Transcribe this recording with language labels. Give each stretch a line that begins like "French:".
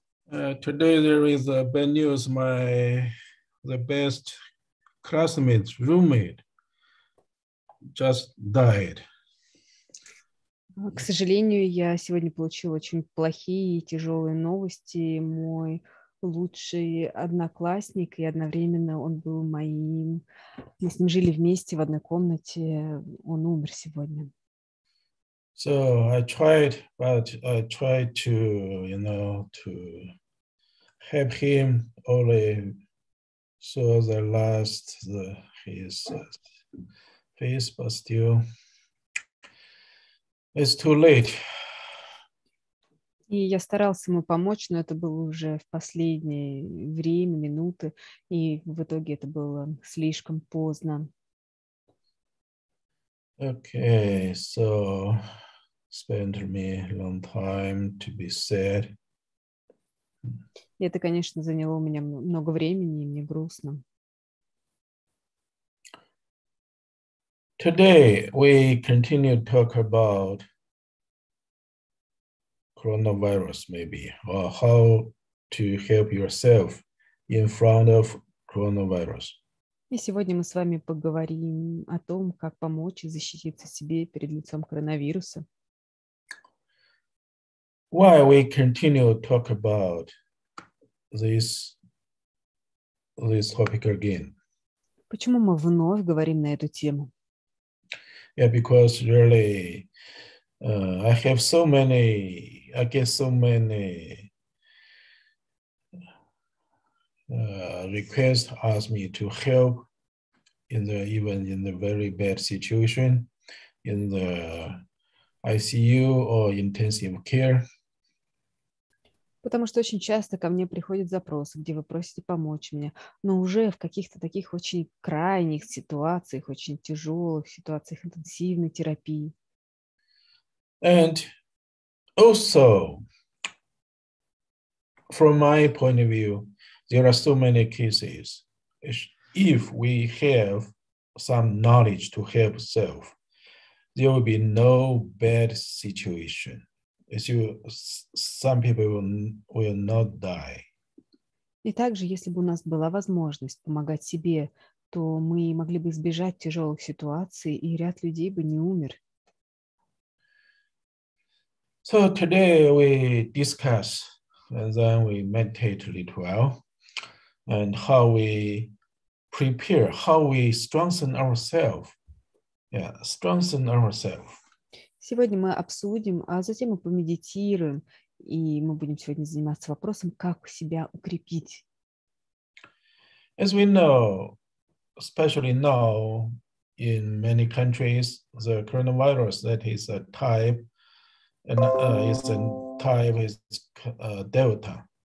English: Today there is a bad news. The best classmate, roommate, just died.
Russian: К сожалению, я сегодня получила очень плохие и тяжелые новости. Мой лучший одноклассник, и одновременно он был моим. Мы с ним жили вместе в одной комнате. Он умер сегодня.
English: So I tried, but I tried to, you know, to help him only so the last his face, but still it's too late.
Russian: И я старался ему помочь, но это было уже в последнее время, минуты, и в итоге это было слишком поздно.
English: Okay, so spent me long time to be sad.
Russian: Это, конечно, заняло у меня много времени, и мне грустно.
English: Today we continue to talk about coronavirus, maybe, or how to help yourself in front of coronavirus.
Russian: И сегодня мы с вами поговорим о том, как помочь и защититься себе перед лицом коронавируса.
English: Why we continue to talk about this topic again?
Russian: Почему мы вновь говорим на эту тему?
English: Yeah, because really, I have so many, I get so many requests ask me to help even in the very bad situation, in the ICU or intensive care.
Russian: Потому что очень часто ко мне приходят запросы, где вы просите помочь мне, но уже в каких-то таких очень крайних ситуациях, очень тяжелых ситуациях интенсивной терапии.
English: And also, from my point of view, there are so many cases. If we have some knowledge to help self, there will be no bad situation. Some people will not die.
Russian: И также, если бы у нас была возможность помогать себе, то мы могли бы избежать тяжелых ситуаций, и ряд людей бы не умер.
English: So today we discuss, and then we meditate a little while, and how we prepare, how we strengthen ourselves. Yeah, strengthen ourselves.
Russian: Сегодня мы обсудим, а затем мы помедитируем, и мы будем сегодня заниматься вопросом, как себя укрепить.
English: As we know, especially now, in many countries, the coronavirus, that is a type, Delta.